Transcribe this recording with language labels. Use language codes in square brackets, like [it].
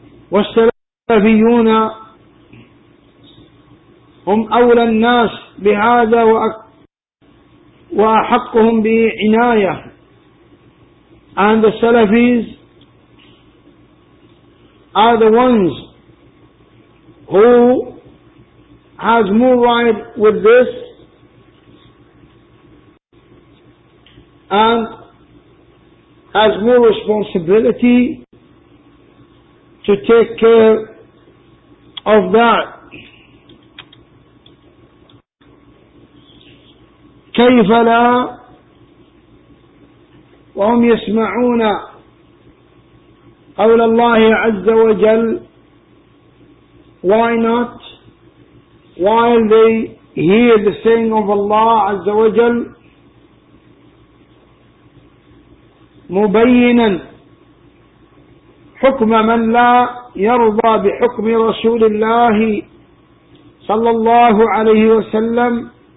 [ar] والسلفيون هم أولى الناس بهذا وأحقهم بعناية. [en] And the Salafis are the ones who has more right with this and has more responsibility to take care of that. [ar] كيف لا وهم يسمعون قول الله عز وجل. [en] Why not while they hear the saying of Allah [ar] عز وجل مبينا حكم من لا يرضى بحكم رسول الله صلى الله عليه وسلم